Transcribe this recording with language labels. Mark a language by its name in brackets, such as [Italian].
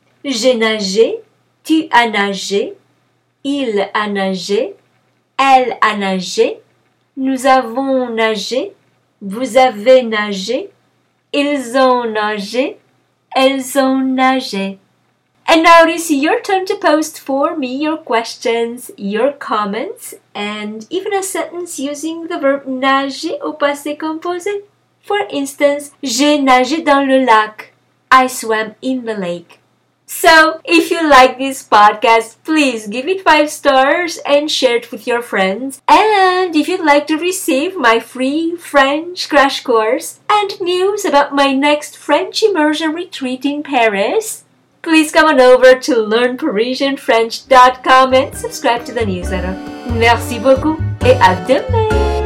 [French] J'ai nagé, tu as nagé, il a nagé, elle a nagé, nous avons nagé, vous avez nagé, ils ont nagé, elles ont nagé. [English] And now it is your turn to post for me your questions, your comments, and even a sentence using the verb nager [French] au passé composé. [English] For instance, [French] j'ai nagé dans le lac. [English] I swam in the lake. So, if you like this podcast, please give it 5 stars and share it with your friends. And if you'd like to receive my free French crash course and news about my next French immersion retreat in Paris, please come on over to learnparisianfrench.com and subscribe to the newsletter. [French] Merci beaucoup et à demain!